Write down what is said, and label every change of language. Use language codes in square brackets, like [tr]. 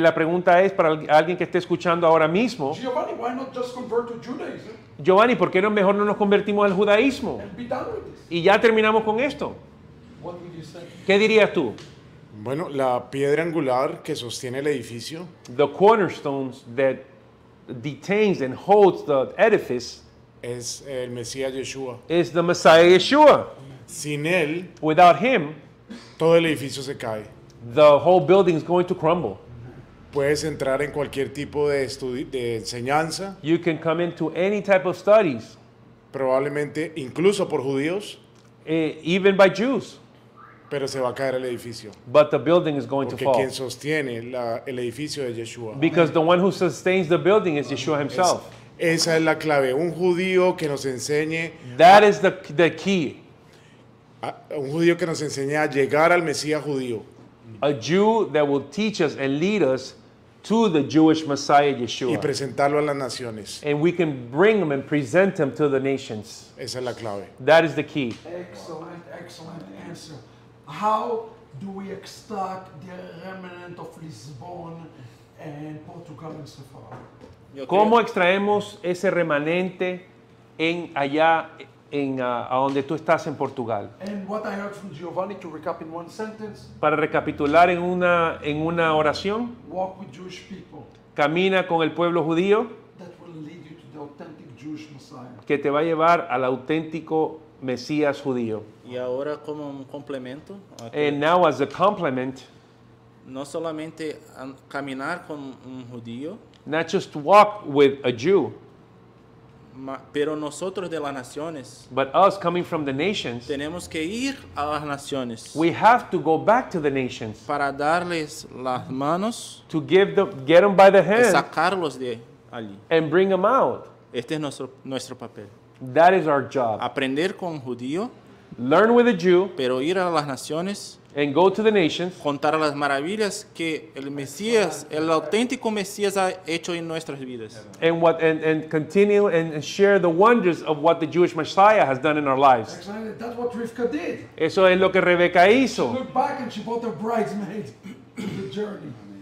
[es] la pregunta es para alguien que esté escuchando ahora mismo. [en] Giovanni, why not just convert to Judaism? [es] Giovanni, ¿por qué no mejor no nos convertimos al judaísmo? [en] And be done with this. [es] Y ya terminamos con esto. [en] What would you say? ¿Qué dirías tú? [es] Bueno, la piedra angular que sostiene el edificio. [en] The cornerstones that detains and holds the edifice [es] es el Mesías Yeshua. [en] Is the Messiah Yeshua. [es] Sin él, [en] without him, [es] todo el edificio se cae. [en] The whole building is going to crumble. [es] Puedes entrar en cualquier tipo de estudio, de enseñanza. [en] You can come into any type of studies. [es] Probablemente incluso por judíos. [en] Even by Jews. [es] Pero se va a caer el edificio. [en] But the building is going [es] porque [en] to fall. [es] Quien sostiene el edificio es Yeshua. [en] Because the one who sustains the building is Yeshua himself. [es] Esa es la clave. Un judío que nos enseñe. [en] That is the key. [es] Un judío que nos enseñe a llegar al Mesías judío. [en] A Jew that will teach us and lead us to the Jewish Messiah Yeshua. [es] Y presentarlo a las naciones. [en] And we can bring him and present him to the nations. [es] Esa es la clave. [en] That is the key. Excellent, excellent answer. How do we extract the remnant of Lisbon and Portugal and so far? [es] ¿Cómo extraemos ese remanente en allá en a donde tú estás en Portugal? [en] And what I heard from Giovanni to recap in one sentence. [es] Para recapitular en una oración. [en] Walk with Jewish people. [es] Camina con el pueblo judío. [en] That will lead you to the authentic Jewish Messiah. [es] Que te va a llevar al auténtico Mesías judío. Y ahora como un complemento. [en] And now as a complement. [es] No solamente caminar con un judío. [en] Not just walk with a Jew. [es] Pero nosotros de las naciones. [en] But us coming from the nations. [es] Tenemos que ir a las naciones. [en] We have to go back to the nations. [es] Para darles las manos. [en] To give them, get them by the hand. [es] Sacarlos de allí. [en] And bring them out. [es] Este es nuestro papel. [en] That is our job. [es] Aprender con judío. [en] Learn with a Jew. [es] Pero ir a las naciones. [en] And go to the nations. [es] Contar las maravillas que el Mesías, el auténtico Mesías ha hecho en nuestras vidas. [en] And what and continue and share the wonders of what the Jewish Messiah has done in our lives. Excellent. That's what Rivka did. [es] Eso es lo que Rebeca hizo. [en] She looked back and she bought her bridesmaid to the journey.